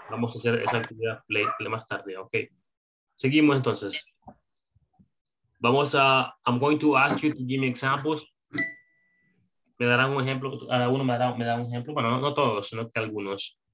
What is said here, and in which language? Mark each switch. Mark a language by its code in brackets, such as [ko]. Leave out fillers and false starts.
[es] Vamos a hacer esa actividad play más tarde, okay. Seguimos entonces. Vamos a, [en] I'm going to ask you to give me examples. [es] Me darán un ejemplo, cada uno me da un ejemplo, bueno, no todos, sino que algunos.